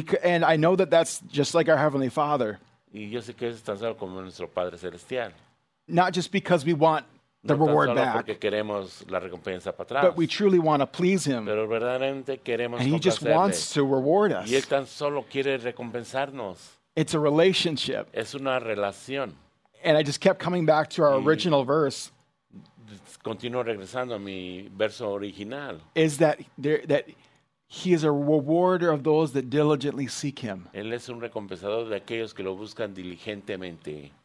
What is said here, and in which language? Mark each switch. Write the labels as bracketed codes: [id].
[en] and I know that that's just like our Heavenly Father. [es] Y yo sé que es tan solo como nuestro Padre Celestial. [en] Not just because we want the [es] no [en] reward back, [es] porque queremos la recompensa para atrás, [en] but we truly want to please Him. [es] Pero verdaderamente queremos [en] and He just wants to reward us. [es] Y él tan solo quiere recompensarnos. [en] It's a relationship. [es] Es una relación. [en] And I just kept coming back to our original verse. [es] Continúo regresando a mi verso original. [en] Is that there, that He is a rewarder of those that diligently seek Him. [es] Él es un recompensador de aquellos que lo buscan diligentemente.